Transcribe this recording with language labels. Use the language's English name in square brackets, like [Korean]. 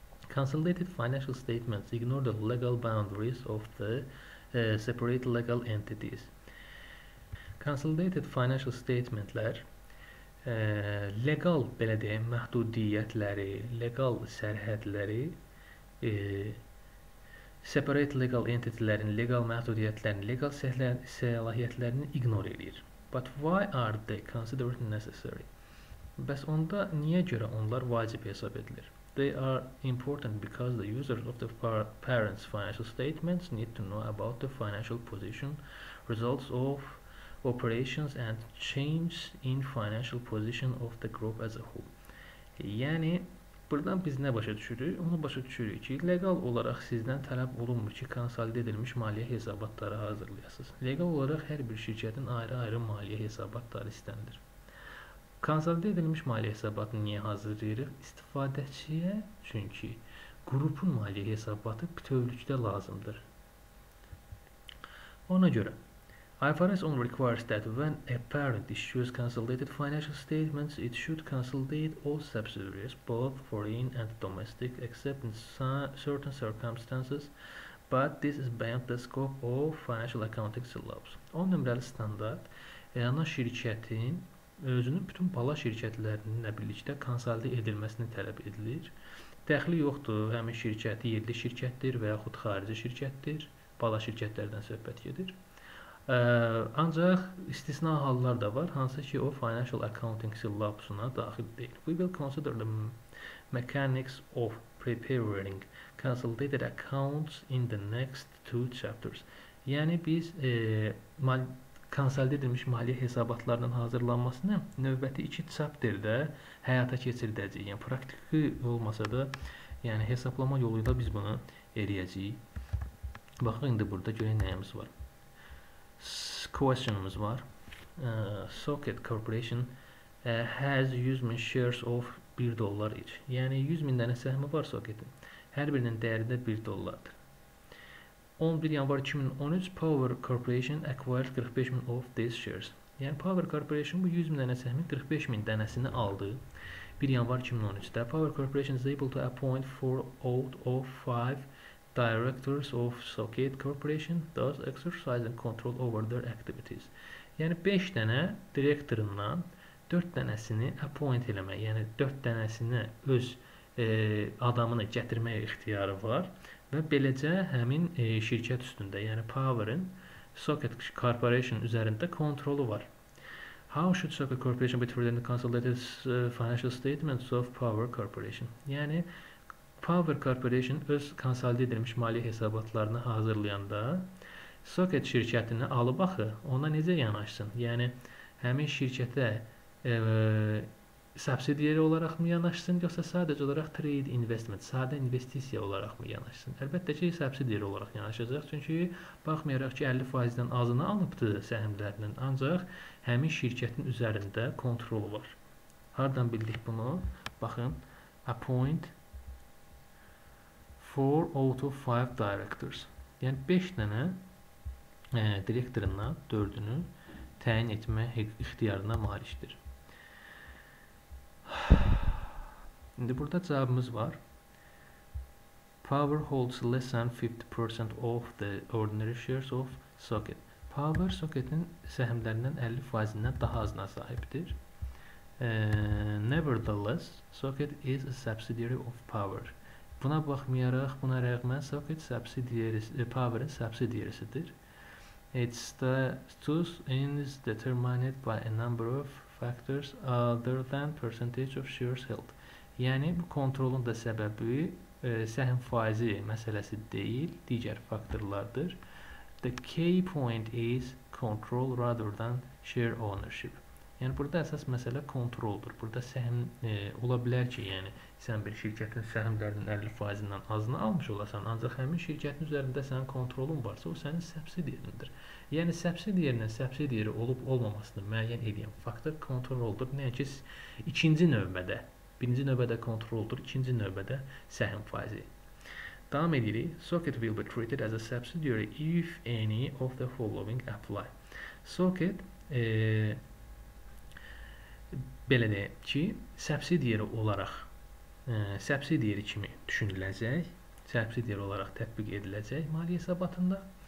[English] Consolidated financial statements ignore the legal boundaries of the separate legal entities. [Azerbaijani] Consolidated financial statementlər legal belə deyim məhdudiyyətləri, legal sərhədləri separate legal entitylərin legal məhdudiyyətlərini, legal səlahiyyətlərini ignore edir. [English] But why are they considered necessary? [Azerbaijani] Bəs onda niyə görə onlar vacib hesab edilir? [English] They are important because the users of the parents' financial statements need to know about the financial position, results of operations and change in financial position of the group as a whole. [Azerbaijani] Yəni, burdan biz nə başa düşürük? Onu başa düşürük ki, legal olaraq sizdən tələb olunmur ki, konsolid edilmiş maliyyə hesabatları hazırlayasınız. Legal olaraq hər bir şirkətin ayrı-ayrı maliyyə hesabatları istənilir. Konsolidə edilmiş maliyyə hesabatını niyə hazırlayırıq? İstifadəçiyə, çünki qrupun maliyyə hesabatı bütövlükdə lazımdır. Ona görə, [English] IFRS only requires that when a parent issues consolidated financial statements, it should consolidate all subsidiaries, both foreign and domestic, except in certain circumstances, but this is beyond the scope of financial accounting syllabus. [Azerbaijani] 10 nömrəli standart ana şirkətin özünün bütün bala şirkətlərinin birlikdə konsolide edilməsini tələb edilir. Dəxli yoxdur, həmin şirkəti yerli şirkətdir və yaxud xarici şirkətdir. Bala şirkətlərdən söhbət gedir. Ancaq istisna hallar da var, hansı ki o financial accounting syllabusuna daxil deyil. [English] We will consider the mechanics of preparing consolidated accounts in the next two chapters. [Azerbaijani] Yəni biz konsolide edilmiş maliyyə hesabatlarının hazırlanmasını növbəti iki chapterdə həyata keçirdəcəyik. Yəni praktiki olmasa da, yəni hesablama yoluyla biz bunu eləyəcəyik. Baxaq indi burada görək nəyimiz var. Questionımız var. [English] Socket Corporation has 100 min shares of 1 dollar each. [Azerbaijani] Yəni 100 min dənə səhmi var Socket'in. Hər birinin dəyəri də 1 dollardır. 11 yanvar [English] 2013 Power Corporation acquired 45 min of these shares. [Azerbaijani] Yəni Power Corporation bu 100 min dənə səhmin 45 min dənəsini aldı. 1 yanvar 2013-də [English] Power Corporation is able to appoint 4 out of 5 directors of Socket Corporation, thus exercising control over their activities. [Azerbaijani] Yəni 5 dənə direktorundan 4 dənəsini appoint eləmək, yəni 4 dənəsini öz adamını gətirmək ixtiyarı var və beləcə həmin şirkət üstündə, yəni Power'ın Socket Corporation üzərində kontrolu var. [English] How should Socket Corporation be treated in the consolidated financial statements of Power Corporation? [Azerbaijani] Yəni Power Corporation öz konsolide edilmiş maliyyə hesabatlarını hazırlayanda Socket şirkətini alıb axı, ona necə yanaşsın? Yəni həmin şirkətə subsidiyarı olaraq mı yanaşsın, yoxsa sadəcə olaraq trade investment, sadə investisiya olaraq mı yanaşsın? Əlbəttə ki, subsidiyarı olaraq yanaşacaq, çünki baxmayaraq ki, 50%-dən azını alıbdı səhmlərinin, ancaq həmin şirkətin üzərində kontrol var. Hardan bildik bunu? Baxın, [English] appoint 4 out of 5 directors. [Azerbaijani] Yəni 5 dənə direktorundan 4-ünü təyin etmə ixtiyarına malikdir. İndi burada cavabımız var. [English] Power holds less than 50% of the ordinary shares of Socket. [Azerbaijani] Power Socket'in səhmlərindən 50%-dən daha azına sahibdir. [English] Nevertheless, Socket is a subsidiary of Power. [Azerbaijani] Buna baxmayaraq, buna rəğmən Socket Power'ın subsidiarisidir. [English] Its status is determined by a number of factors other than percentage of shares held. [Azerbaijani] Yəni bu kontrolun da səbəbi səhm faizi məsələsi deyil, digər faktorlardır. [English] The key point is control rather than share ownership. [Azerbaijani] Yəni burada əsas məsələ kontroldur. Burada səhm ola bilər ki, yəni sən bir şirkətin səhmlərinin 50%-dən azını almış olasan, ancaq həmin şirkətin üzərində sənin kontrolun varsa, o sənin subsidiyarındır. Yəni subsidiyarının subsidiyarı olub-olmamasını müəyyən edən faktor kontroldur. Nəinki ikinci növbədə. Birinci növbədə kontroldur, ikinci növbədə səhm faizi. Davam edirik. [English] Socket will be treated as a subsidiary if any of the following apply. [Azerbaijani] Socket belə deyək ki, subsidiary olaraq subsidiary kimi düşünüləcək, subsidiary olaraq tətbiq ediləcək maliyyə hesabatında.